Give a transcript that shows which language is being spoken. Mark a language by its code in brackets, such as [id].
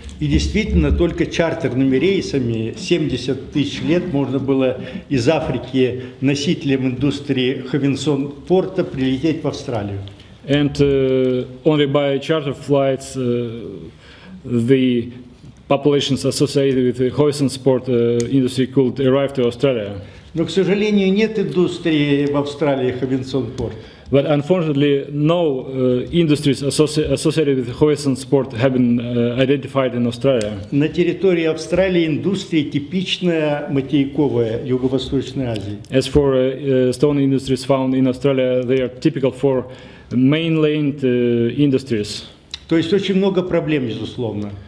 [ru] И действительно, только чартерными рейсами 70 тысяч лет можно было из Африки носителем индустрии Ховенсон-Порта прилететь в Австралию. [en] And only by charter flights, the populations associated with the Ховенсон-Порт industry could arrive to Australia. [ru] Но, к сожалению, нет индустрии в Австралии Ховенсон-Порт. [en] But unfortunately, no industries associated with Ховенсон-Порт have been identified in Australia. [ru] На территории Австралии индустрия типичная материковая Юго-Восточной Азии. [en] As for stone industries found in Australia, they are typical for mainland industries. [ru] То есть очень много проблем, безусловно.